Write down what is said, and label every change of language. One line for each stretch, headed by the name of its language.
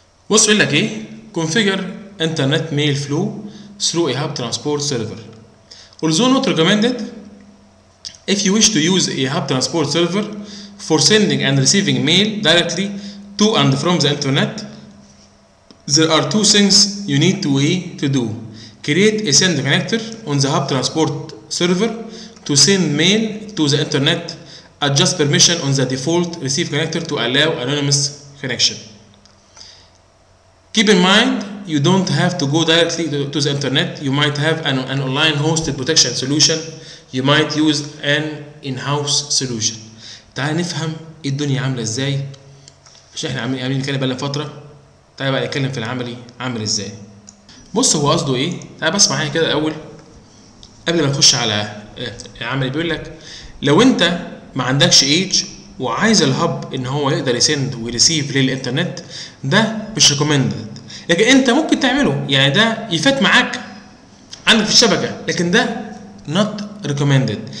Arabic: بص بيقول لك ايه،
English: Configure internet mail flow through a hub transport server also not recommended if you wish to use a hub transport server for sending and receiving mail directly to and from the internet. There are two things you need to do. Create a send connector on the hub transport server to send mail to the internet. Adjust permission on the default receive connector to allow anonymous connection. Keep in mind, you don't have to go directly to the internet. You might have an online hosted protection solution. You might use an in-house solution.
Arabic: تعال نفهم الدنيا عاملة ازاي، مش احنا عاملين نتكلم بقالنا فترة. طيب بقى اتكلم في العملي عامل ازاي. بص هو قصده ايه؟ طيب بس معايا كده الاول قبل ما نخش على العملي، بيقول لك لو انت ما عندكش ايج وعايز الهب ان هو يقدر يسند ويريسيف للانترنت، ده مش ريكومندد، لكن انت ممكن تعمله، يعني ده يفات معاك عندك في الشبكه، لكن ده نوت ريكومندد.